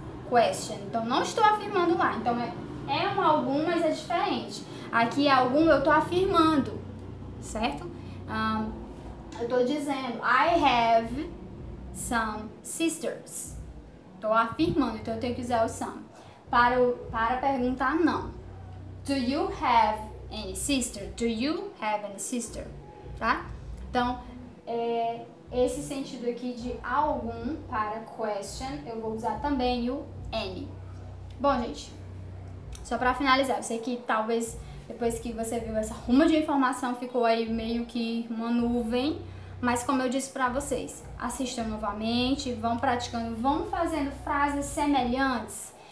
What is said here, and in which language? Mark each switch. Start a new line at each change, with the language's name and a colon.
Portuguese: Question. Então não estou afirmando lá. Então é um algum, mas é diferente. Aqui algum eu estou afirmando, certo? Eu estou dizendo,
English: I have some sisters.
Portuguese: Estou afirmando, então eu tenho que usar o some. Para perguntar, não.
English: Do you have any sister? Do you have any sister?
Portuguese: Tá? Então, é, esse sentido aqui de algum para question, eu vou usar também o any. Bom, gente, só para finalizar, eu sei que talvez depois que você viu essa ruma de informação, ficou aí meio que uma nuvem, mas como eu disse para vocês, assistam novamente, vão praticando, vão fazendo frases semelhantes.